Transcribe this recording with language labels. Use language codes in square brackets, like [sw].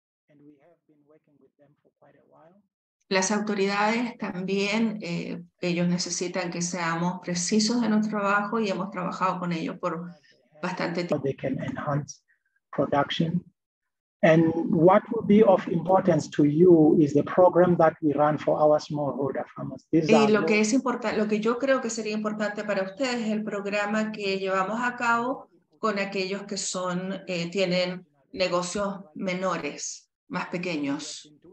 [en] And we have been working with them for quite a while. [es] Las autoridades también, ellos necesitan que seamos precisos en nuestro trabajo y hemos trabajado con ellos por bastante tiempo. [en] They can enhance production. And what will be of importance to you is the program that we run for our smallholder farmers. [es] Y lo que es importante, lo que yo creo que sería importante para ustedes es el programa que llevamos a cabo con aquellos que son, tienen negocios menores, más pequeños.